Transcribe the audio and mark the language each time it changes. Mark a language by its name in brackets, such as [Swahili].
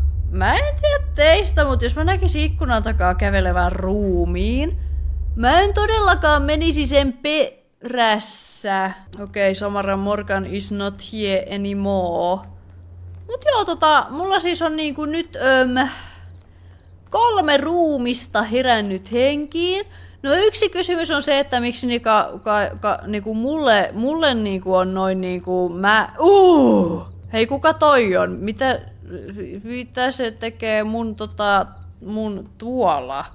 [Finnish] Mä en tiedä teistä, mutta jos mä näkisin ikkunan takaa kävelevän ruumiin... Mä en todellakaan menisi sen perässä. [English] Okei, Samara Morgan is not here anymore. [Finnish] Mut joo, mulla siis on niinku nyt... kolme ruumista herännyt henkiin. No yksi kysymys on se, että miksi niinku mulle niinku on noin niinku mä... Hei, kuka toi on? Mitä se tekee mun tuolla?